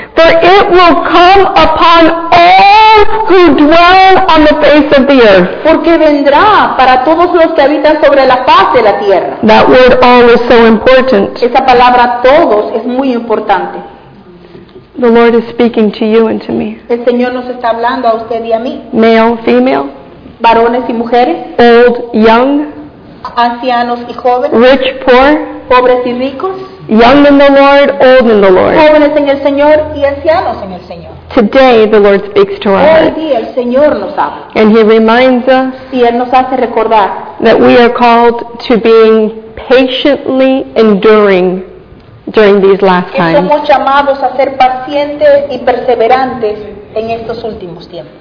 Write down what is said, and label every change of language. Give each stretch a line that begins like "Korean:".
English: For it will come upon all who dwell on the face of the earth.
Spanish: Porque vendrá para todos los que habitan sobre la faz de la tierra.
English: That word all is so important.
Spanish: Esa palabra todos es muy importante.
English: The Lord is speaking to you and to me.
Spanish: El Señor nos está hablando a usted y a mí.
English: Male, female.
Spanish: Varones y mujeres.
English: Old, young.
Spanish: Ancianos y jóvenes.
English: Rich, poor.
Spanish: Pobres y ricos.
English: Young in the Lord, old in the Lord.
Spanish: Jóvenes en el Señor y ancianos en el Señor.
English: Today the Lord speaks to our hearts.
Spanish: Hoy día el Señor nos habla.
English: And He reminds us.
Spanish: Y Él nos hace recordar.
English: That we are called to being patiently enduring during these last times.
Spanish: Somos llamados a ser pacientes y perseverantes en estos últimos tiempos.